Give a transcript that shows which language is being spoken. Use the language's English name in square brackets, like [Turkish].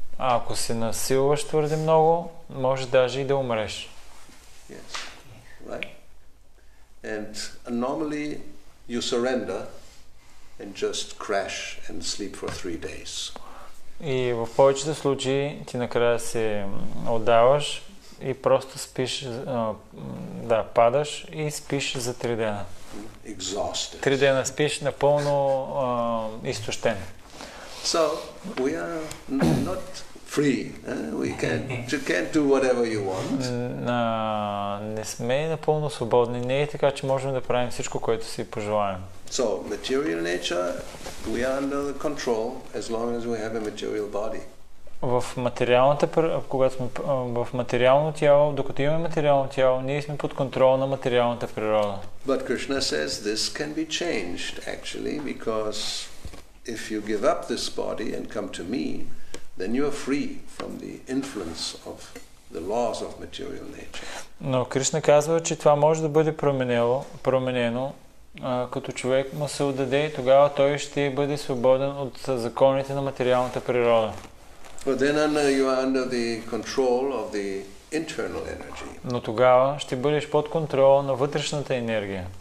[Bulgarian] А ако се насилваш твърде много, може даже и да умреш. [English] Yes. Right? And normally you surrender and just crash and sleep for 3 days. [Bulgarian] И в повечето случаи ти накрая се отдаваш и просто спиш, да, падаш и спиш за 3 дена. [English] Exhausted. [Bulgarian] 3 дена спиш напълно изтощен. [English] So, we are not free. You can't do whatever you want. [Bulgarian] Не сме напълно свободни. Не е така, че можем да правим всичко, което си пожелаем. [English] So, material nature, we are under the control as long as we have a material body. [Bulgarian] В материално тяло, докато имаме материално тяло, ние сме под контрол на материалната природа. [English] But Krishna says this can be changed actually because if you give up this body and come to me, then you are free from the influence of the laws of material nature. [Bulgarian] Но Кришна казва, че това може да бъде променено. Като човек му се отдаде, тогава той ще бъде свободен от законите на материалната природа. [English] But then you are under the control of the internal energy. [Bulgarian] Но тогава ще бъдеш под контрол на вътрешната енергия.